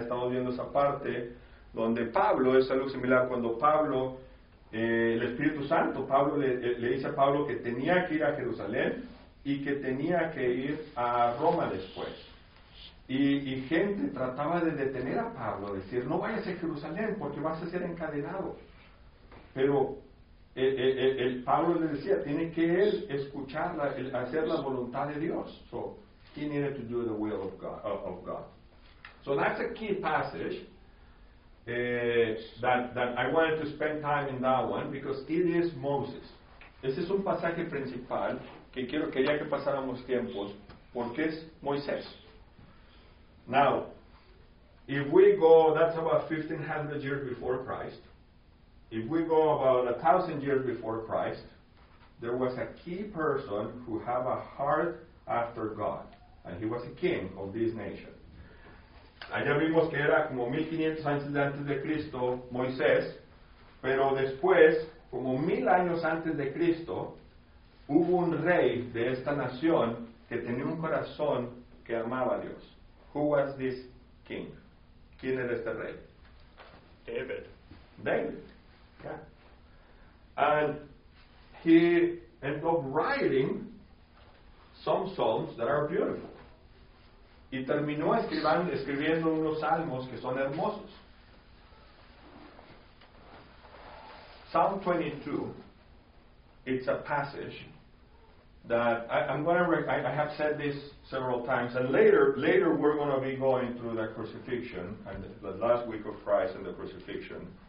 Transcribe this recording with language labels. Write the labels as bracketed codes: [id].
[es] Estamos viendo esa parte donde Pablo, es algo similar, cuando Pablo, el Espíritu Santo, Pablo le dice a Pablo que tenía que ir a Jerusalén y que tenía que ir a Roma después. Y gente trataba de detener a Pablo, decir, no vayas a Jerusalén porque vas a ser encadenado. Pero el Pablo le decía, tiene que él escuchar, hacer la voluntad de Dios. [en] So, he needed to do the will of God. So, that's a key passage that I wanted to spend time in that one, because it is Moses. [es] Ese es un pasaje principal que quería que pasáramos tiempos, porque es Moisés. [en] Now, if we go, that's about 1500 years before Christ. If we go about 1,000 years before Christ, there was a key person who had a heart after God. And he was a king of this nation. [es] Allá vimos que era como 1,500 años antes de Cristo, Moisés. Pero después, como 1,000 años antes de Cristo, hubo un rey de esta nación que tenía un corazón que amaba a Dios. [en] Who was this king? [es] ¿Quién era este rey? [en] David. David. Yeah. And he ended up writing some psalms that are beautiful. [es] Y terminó escribiendo unos salmos que son hermosos. [en] Psalm 22, it's a passage that I have said this several times, and later we're going to be going through the crucifixion and the last week of Christ and the crucifixion.